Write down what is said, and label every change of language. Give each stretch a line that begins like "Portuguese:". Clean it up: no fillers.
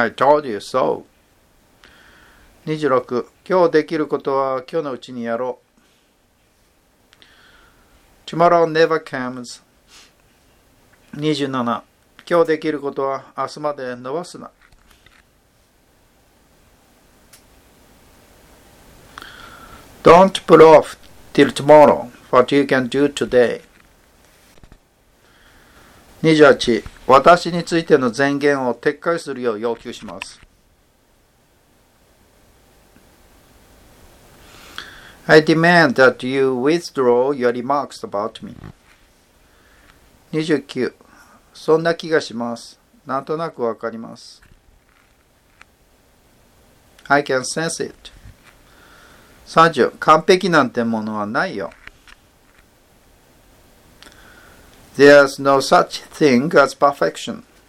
English: I told you so. 26.
Japanese: 今日できることは今日のうちにやろう。
English: Tomorrow never comes. 27.
Japanese: 今日できることは明日まで延ばすな。
English: Don't put off till tomorrow what you can do today. 28.
Japanese: 私についての前言を撤回するよう要求します。
English: I demand that you withdraw your remarks about me.
Japanese: 29. そんな気がします。なんとなくわかります。
English: I can sense it. 30.
Japanese: 完璧なんてものはないよ。
English: There's no such thing as perfection.